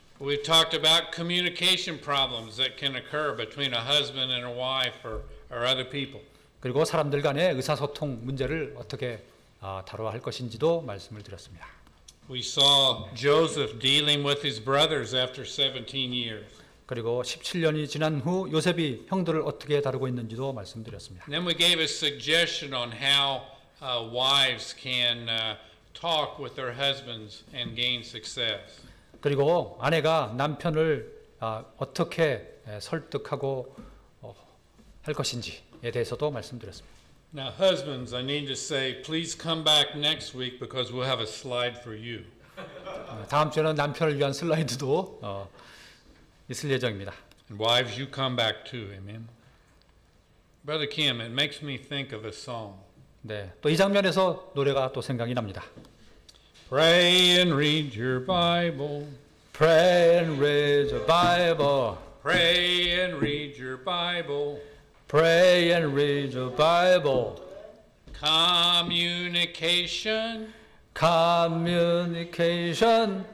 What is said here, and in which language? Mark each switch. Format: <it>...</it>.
<en>We talked about communication problems that can occur between a husband and a wife or other people.</en> <ko>그리고 사람들 간의 의사소통 문제를 어떻게 다뤄야 할 것인지도 말씀을 드렸습니다.</ko> <en>We saw Joseph dealing with his brothers after 17 years.</en> <ko>그리고 17년이 지난 후 요셉이 형들을 어떻게 다루고 있는지도 말씀드렸습니다.</ko> <en>Then we gave a suggestion on how wives can talk with their husbands and gain success.</en> <ko>그리고 아내가 남편을 어떻게 설득하고 할 것인지에 대해서도 말씀드렸습니다.</ko> <en>Now, husbands, I need to say, please come back next week because we'll have a slide for you.</en> <ko>다음 주에는 남편을 위한 슬라이드도 있을 예정입니다.</ko> <en>And wives, you come back too, amen. Brother Kim, it makes me think of a song.</en> <ko>네, 또 이 장면에서 노래가 또 생각이 납니다.</ko> <en>Pray and read your Bible. Pray and read your Bible. Pray and read your Bible. Pray and read your Bible. Communication. Communication.</en>